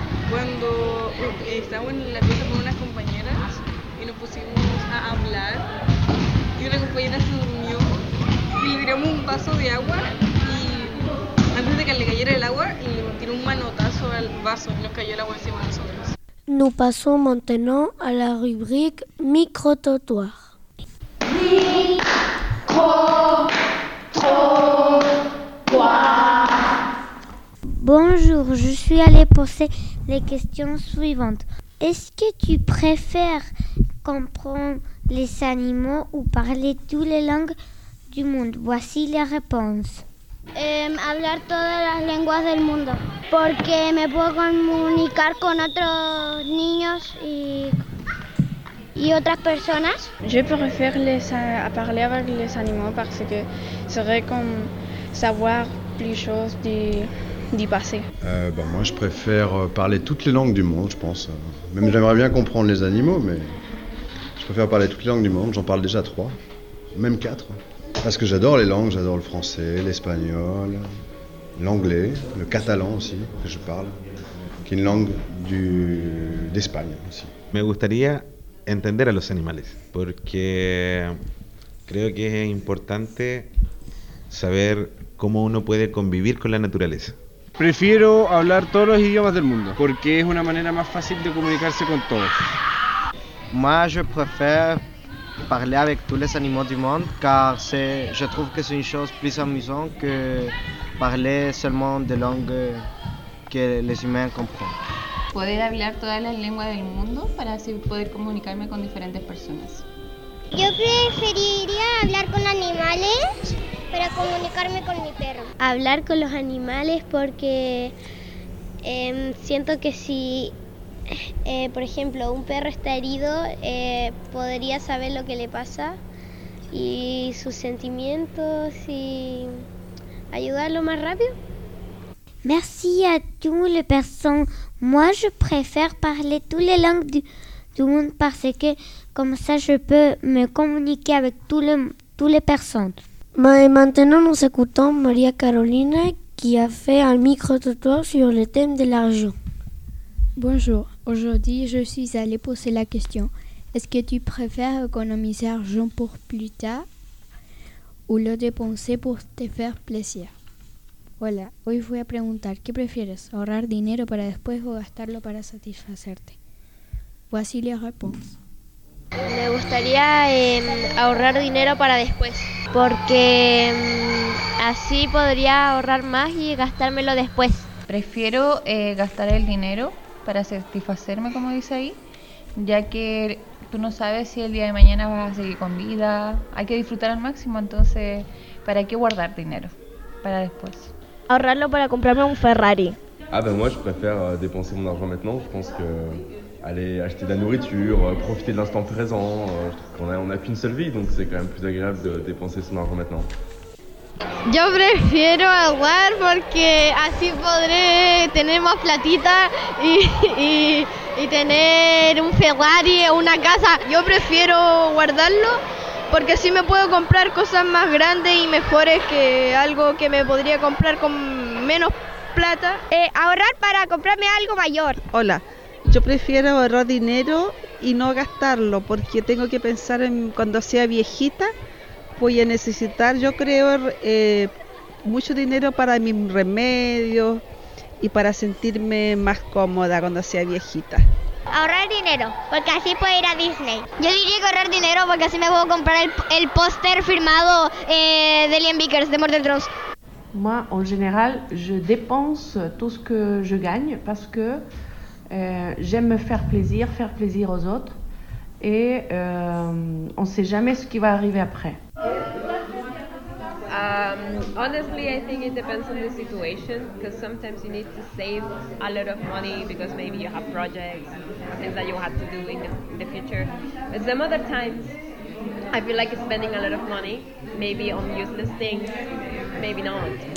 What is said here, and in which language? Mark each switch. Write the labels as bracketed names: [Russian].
[Spanish] Cuando estábamos en la pieza con unas compañeras y nos pusimos a hablar y una compañera se durmió y le tiramos un vaso de agua y antes de que le cayera el agua y le tiró un manotazo al vaso y nos cayó el agua encima de nosotros. [French] Nous passons maintenant à la rubrique micro-trottoir. Bonjour, je suis allée poser les questions suivantes. Est-ce que tu préfères comprendre les animaux ou parler toutes les langues du monde? Voici les réponses. [Spanish] Hablar todas las lenguas del mundo, porque me puedo comunicar con otros niños y otras personas. [French] Je préfère parler avec les animaux parce que serait comme savoir plus choses du passé. Moi je préfère parler toutes les langues du monde, je pense. Même j'aimerais bien comprendre les animaux, mais je préfère parler toutes les langues du monde. J'en parle déjà 3, même 4. Parce que j'adore les langues, j'adore le français, l'espagnol, l'anglais, le catalan aussi, que je parle, qui est une langue d'Espagne aussi. [Spanish] Me gustaría entender a los animales, porque creo que es importante saber cómo uno puede convivir con la naturaleza. Prefiero hablar todos los idiomas del mundo, porque es una manera más fácil de comunicarse con todos. [French] Moi, je préfère parler avec tous les animaux du monde, car c'est, je trouve que c'est une chose plus amusante que parler seulement des langues que les humains comprennent. [Spanish] Poder hablar todas las lenguas del mundo para así poder comunicarme con diferentes personas. Yo preferiría hablar con animales para comunicarme con mi perro. Hablar con los animales porque siento que si, por ejemplo, un perro está herido, podría saber lo que le pasa y sus sentimientos y ayudarlo más rápido. [French] Merci à toutes les personnes. Moi, je préfère parler toutes les langues du monde parce que comme ça, je peux me communiquer avec toutes les personnes. Mais maintenant, nous écoutons Maria Carolina qui a fait un micro-trottoir sur le thème de l'argent. Bonjour, aujourd'hui, je suis allée poser la question. Est-ce que tu préfères économiser argent pour plus tard ou le dépenser pour te faire plaisir? [Spanish] Hola, hoy voy a preguntar, ¿qué prefieres, ahorrar dinero para después o gastarlo para satisfacerte? [French] Voici la réponse. [Spanish] Me gustaría ahorrar dinero para después, porque así podría ahorrar más y gastármelo después. Prefiero gastar el dinero para satisfacerme, como dice ahí, ya que tú no sabes si el día de mañana vas a seguir con vida, hay que disfrutar al máximo, entonces, ¿para qué guardar dinero para después? Ahorrarlo para comprarme un Ferrari. [French] Ah ben moi je préfère dépenser mon argent maintenant. Je pense que aller acheter de la nourriture, profiter de l'instant présent. On a qu'une seule vie, donc c'est quand même plus agréable de dépenser son argent maintenant. [Spanish] Yo prefiero ahorrar porque así podré tener más platita y tener un Ferrari o una casa. Yo prefiero guardarlo porque así me puedo comprar cosas más grandes y mejores que algo que me podría comprar con menos plata. Ahorrar para comprarme algo mayor. Hola, yo prefiero ahorrar dinero y no gastarlo porque tengo que pensar en cuando sea viejita voy a necesitar, yo creo, mucho dinero para mis remedios y para sentirme más cómoda cuando sea viejita. Ahorrar dinero, porque así puedo ir a Disney. Yo diría que ahorrar dinero porque así me puedo comprar el póster firmado de Liam Vickers, de Murder Drones. [French] Moi, en general, je dépense tout ce que je gagne parce que j'aime faire plaisir aux autres et on ne sait jamais ce qui va arriver après. [English] Honestly, I think it depends on the situation because sometimes you need to save a lot of money because maybe you have projects, things that you have to do in the future. But some other times, I feel like spending a lot of money, maybe on useless things, maybe not.